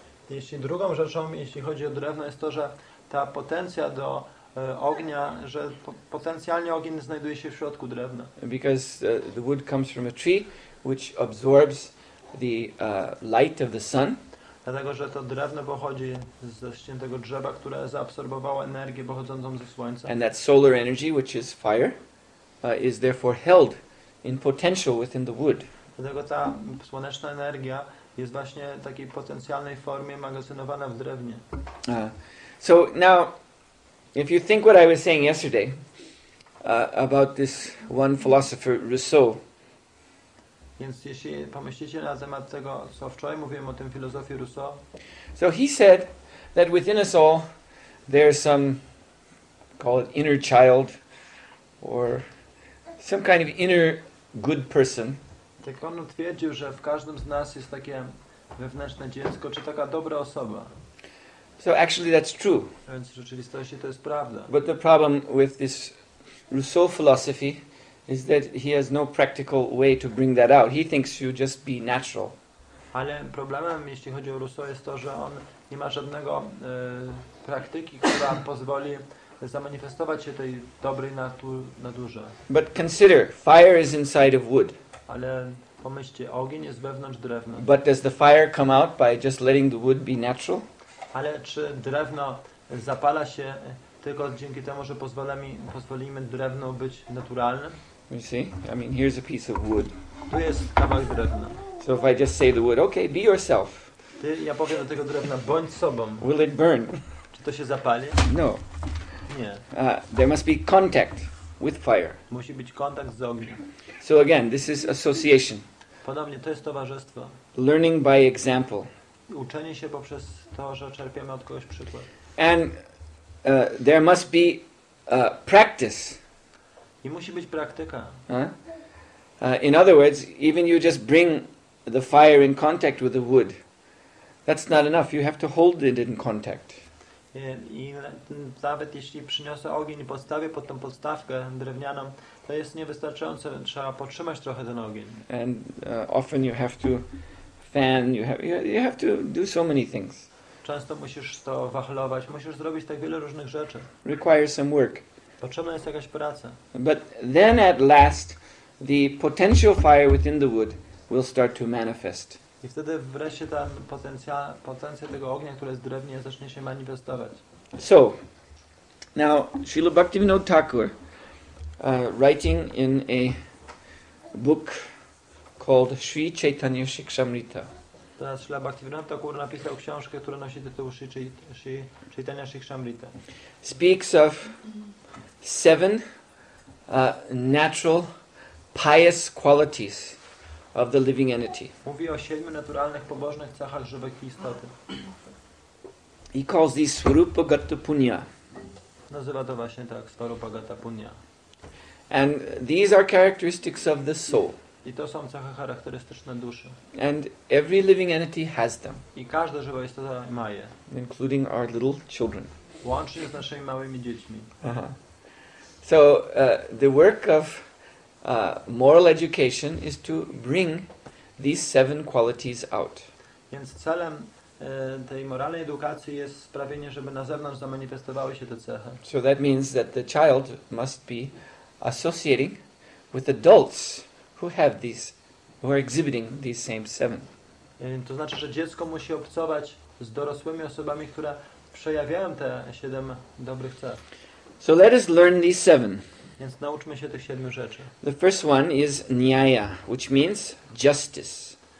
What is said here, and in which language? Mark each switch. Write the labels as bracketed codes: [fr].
[pl] Jeśli drugą rzeczą, jeśli chodzi o drewno, jest to, że ta potencja do ognia, że potencjalnie ogień znajduje się w środku drewna. [en] Because the wood comes from a tree which absorbs the light of the sun. [pl] Dlatego, że to drewno pochodzi ze ścięgnego drzewa, które zaabsorbowało energię pochodzącą ze słońca. [en] And that solar energy, which is fire, is therefore held in potential within the wood. [pl] Dlatego ta słoneczna energia jest właśnie w takiej potencjalnej formie magazynowana w drewnie. [en] So now, if you think what I was saying yesterday about this one philosopher Rousseau. [pl] Więc jeśli pomyślicie na temat tego, co wczoraj mówiłem o tym filozofii Rousseau. [en] So he said that within us all there's some, call it inner child, or some kind of inner good person. [pl] Tak on twierdził, że w każdym z nas jest takie wewnętrzne dziecko, czy taka dobra osoba. [en] So actually that's true. [pl] Więc w rzeczywistości to jest prawda. [en] But the problem with this Rousseau philosophy is that he has no practical way to bring that out. He thinks you just be natural. [pl] Ale problemem, jeśli chodzi o Rousseau, jest to, że on nie ma żadnego praktyki, która pozwoli zamanifestować się tej dobrej naturze. [en] But consider, fire is inside of wood. [pl] Ale pomyślcie, ogień jest wewnątrz drewna. [en] But does the fire come out by just letting the wood be natural? [pl] Ale czy drewno zapala się tylko dzięki temu, że pozwolimy drewno być naturalnym? [en] You see? I mean, here's a piece of wood. [pl] Tu jest kawałek drewna. [en] So if I just say the wood, okay, be yourself. [pl] Ja powiem do tego drewna, bądź sobą. [en] Will it burn? [pl] Czy to się zapali? [en] No. [pl] Nie. [en] There must be contact with fire. [pl] Musi być kontakt z ogniem. [en] So again, this is association. [pl] Ponownie, to jest towarzystwo. [en] Learning by example. [pl] Uczenie się poprzez to, że czerpiemy od kogoś przykład. [en] And there must be practice. [pl] I musi być praktyka. [en] In other words, even you just bring the fire in contact with the wood, that's not enough. You have to hold it in contact. [pl] I nawet jeśli przyniosę ogień i postawię pod tą podstawkę drewnianą, to jest niewystarczające. Trzeba podtrzymać trochę ten ogień. [en] And often you have to fan, you have to do so many things. [pl] Często musisz to wachlować, musisz zrobić tak wiele różnych rzeczy. [en] Requires some work. [pl] Potrzebna jest jakaś praca. [en] But then at last the potential fire within the wood will start to manifest. [pl] I wtedy wreszcie ten potencjał tego ognia, które jest w drewnie, zacznie się manifestować. [en] So, now Śrīla Bhaktivinoda Thakura, writing in a book called Śrī Chaitanya Śikṣāmṛta. [pl] Teraz Śrīla Bhaktivinoda Thakura napisał książkę, która nosi tytuł Śrī Chaitanya Śikṣāmṛta. [en] Speaks of seven natural pious qualities of the living entity. [pl] Mówi o siedmiu naturalnych pobożnych cechach żywej istoty. [en] He calls these Swarupa Gata Punya. [pl] Nazywa to właśnie tak, Swarupa Gata Punya. [en] And these are characteristics of the soul. [pl] I to są cechy charakterystyczne duszy. [en] And every living entity has them. [pl] I każda żywa istota ma je. [en] Including our little children. [pl] Łącznie z naszymi małymi dziećmi. [en] So the work of moral education is to bring these seven qualities out. [pl] Więc celem tej moralnej edukacji jest sprawienie, żeby na zewnątrz zamanifestowały się te cechy. [en] So that means that the child must be associating with adults who have these, who are exhibiting these same seven. [pl] To znaczy, że dziecko musi obcować z dorosłymi osobami, które przejawiają te siedem dobrych cech. [en] So let us learn these seven. [pl] Więc nauczmy się tych siedmiu rzeczy. [en] The first one is nyaya, which means justice.